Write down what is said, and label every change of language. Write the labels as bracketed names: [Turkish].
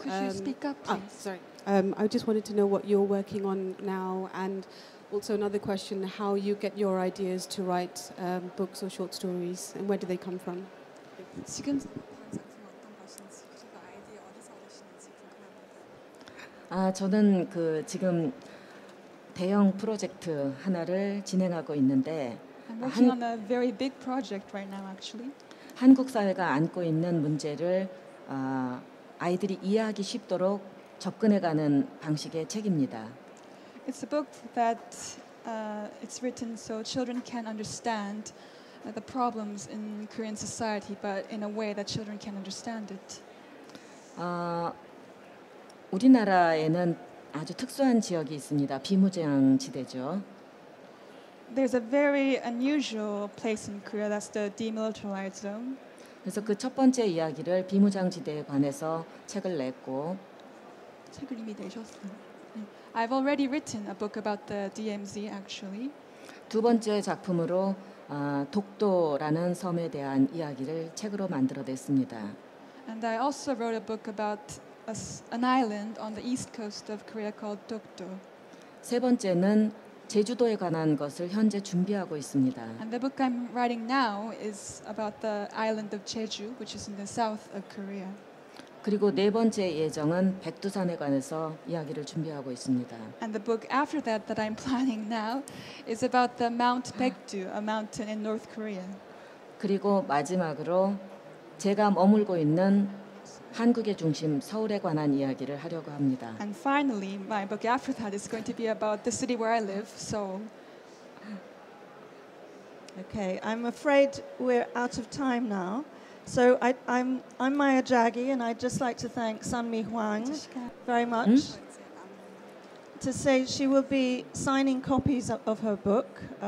[English] Could you speak up, please? I just wanted to know what you're working on now, and also another question: how you get your ideas to write books or short stories, and where do they come from? [Korean] 지금 작품 어떤 것인지, 그 아이디어 어디서 오시는지 궁금합니다. 저는 그 지금 대형 프로젝트 하나를 진행하고 있는데. [English] I'm working on a very big project right now, actually. [Korean] 한국 사회가 안고 있는 문제를 아이들이 이해하기 쉽도록 접근해가는 방식의 책입니다. [English] It's a book that it's written so children can understand the problems in Korean society, but in a way that children can understand it. [Korean] 우리나라에는 아주 특수한 지역이 있습니다. 비무장 지대죠. [English] There's a very unusual place in Korea. That's the demilitarized zone. [Korean] 그래서 그 첫 번째 이야기를 비무장지대에 관해서 책을 냈고 책을 이미 내셨어요. [English] I've already written a book about the DMZ, actually. [Korean] 두 번째 작품으로 독도라는 섬에 대한 이야기를 책으로 만들어냈습니다. [English] And I also wrote a book about an island on the east coast of Korea called 독도. [Korean] 세 번째는 제주도에 관한 것을 현재 준비하고 있습니다. [English] And the book I'm writing now is about the island of Jeju, which is in the south of Korea. [Korean] 그리고 네 번째 예정은 백두산에 관해서 이야기를 준비하고 있습니다. [English] And the book after that that I'm planning now is about the Mount Baekdu, a mountain in North Korea. [Korean] 그리고 마지막으로 제가 머물고 있는 한국의 중심 서울에 관한 이야기를 하려고 합니다. [English] And finally, my book after that is going to be about the city where I live, Seoul. Okay, I'm afraid we're out of time now. So I'm Maya Jaggi, and I'd just like to thank Sunmi Hwang very much to say she will be signing copies of her book.